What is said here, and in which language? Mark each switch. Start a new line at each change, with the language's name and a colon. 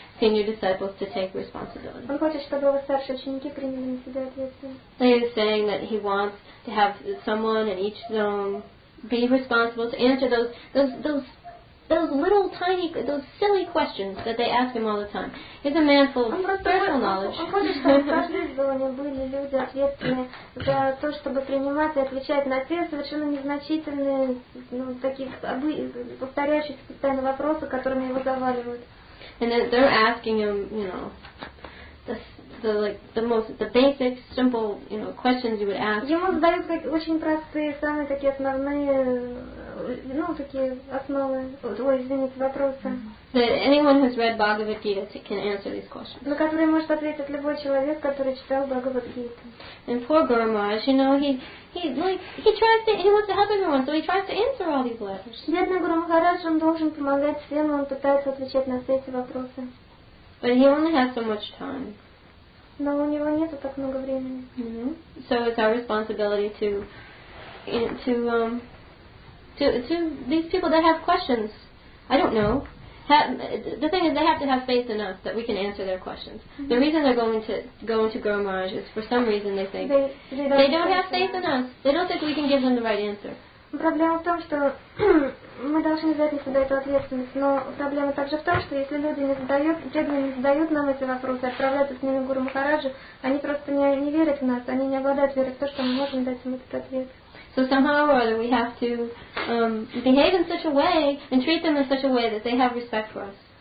Russian: хочет, чтобы его старшие ученики приняли на себя ответственность.
English: He is saying that he wants to have someone in each zone be responsible to answer those silly questions that they ask him all the time. He's a man full of personal knowledge.
Russian: Он хочет, чтобы в каждой зоне были люди ответственны за то, чтобы принимать и отвечать на те совершенно незначительные, ну, таких повторяющихся постоянно вопросы, которыми его заваливают.
English: And then they're asking him, you know, the basic, simple, you know, questions you would ask.
Russian: Ему задают очень простые, самые такие основные, ну, такие основы, ой, извините, вопросы.
English: That anyone who's read Bhagavad Gita can answer these questions.
Russian: На которые может ответить любой человек, который читал Bhagavad Gita.
English: And poor Guru Maharaj, you know, he wants to help everyone, so he tries to answer all these letters.
Russian: Бедный Гуру Махарадж, он должен помогать всем, он пытается отвечать на все эти вопросы.
English: But he only has so much time.
Russian: Но у него нету так много времени. Mm-hmm.
English: So it's our responsibility to these people that have questions. I don't know. The thing is, they have to have faith in us that we can answer their questions. Mm-hmm. The reason they're going to Guru Maharaj is for some reason they think they don't have faith in us. They don't think we can give them the right answer.
Russian: Проблема в том, что мы должны взять на себя эту ответственность, но проблема также в том, что если люди не задают нам эти вопросы, отправляются с ними в Гуру Махараджу, они просто не верят в нас, они не обладают верой в то, что мы можем дать им этот ответ.
English: So somehow or other we have to behave in such a way and treat them in such a way that they have respect for us.